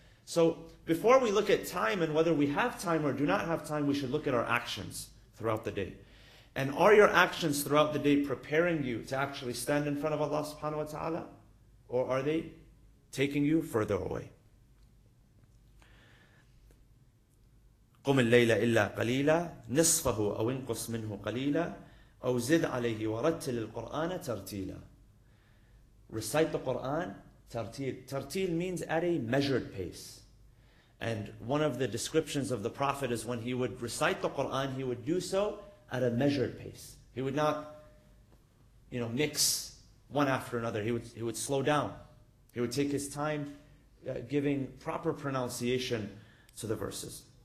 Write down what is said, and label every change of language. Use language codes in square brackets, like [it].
[en] So before we look at time and whether we have time or do not have time, we should look at our actions throughout the day. And are your actions throughout the day preparing you to actually stand in front of Allah subhanahu wa ta'ala? Or are they taking you further away? [ar] قم الليل إلا قليلا نصفه أو انقص منه قليلا أو زد عليه ورتل القرآن ترتيلا. [en] Recite the Quran, tartil. Tartil means at a measured pace. And one of the descriptions of the Prophet is when he would recite the Quran, he would do so at a measured pace. He would not, you know, mix one after another. He would slow down. He would take his time giving proper pronunciation to the verses.